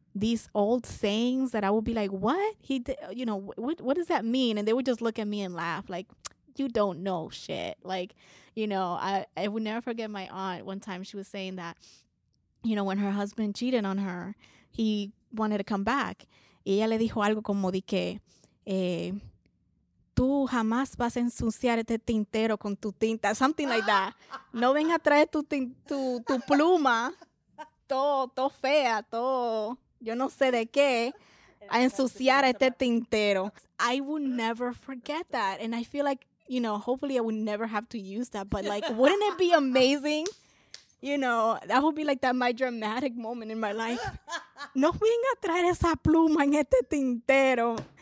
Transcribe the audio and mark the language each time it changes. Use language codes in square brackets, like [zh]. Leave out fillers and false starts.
[en] these old sayings that I would be like, what? He did, you know, what does that mean? And they would just look at me and laugh like, you don't know shit. Like, you know, I would never forget my aunt one time. She was saying that, you know, when her husband cheated on her, he wanted to come back. [es] Y ella le dijo algo como de que, tú jamás vas a ensuciar este tintero con tu tinta. [en] Something like that. [es] No ven a traer tu pluma. Todo fea, todo. Yo no sé de qué. A ensuciar este tintero. [en] I will never forget that. And I feel like, you know, hopefully I would never have to use that. But like, wouldn't it be amazing? You know, that would be like that my dramatic moment in my life. [es] No ven a traer esa pluma en este tintero.